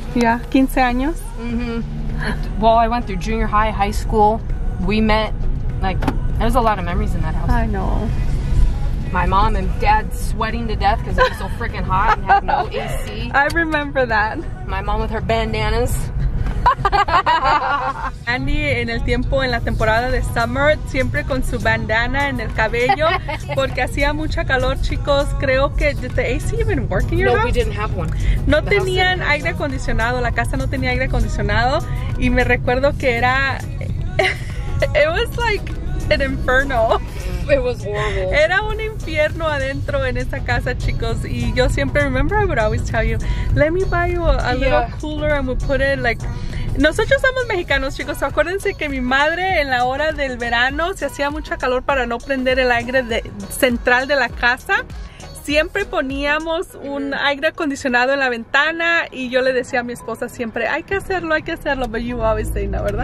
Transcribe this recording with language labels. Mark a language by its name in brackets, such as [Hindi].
[Spanish] Yeah, 15 años? [English] Mm-hmm. Well, I went through junior high, high school. We met. Like, there's a lot of memories in that house. I know. my mom and dad sweating to death because it was so freaking hot and had no AC. I remember that. My mom with her bandanas. [Spanish] Andy en el tiempo, en la temporada de summer, siempre con su bandana en el cabello porque hacía mucha calor, chicos. Creo que, [English] did the AC even work in your house? No, we didn't have one. [Spanish] No tenían aire acondicionado, la casa no tenía aire acondicionado y me recuerdo que era, [English] it was like an inferno. It was horrible. [Spanish] Era un infierno adentro en esa casa, chicos. Y yo siempre, [English] remember I would always tell you, let me buy you a little cooler and we'll put it like... [Spanish] Nosotros somos mexicanos, chicos. Acuérdense que mi madre en la hora del verano se hacía mucha calor para no prender el aire central de la casa. Siempre poníamos un aire acondicionado en la ventana y yo le decía a mi esposa siempre, hay que hacerlo, [English] but you always say no, [Spanish] ¿verdad?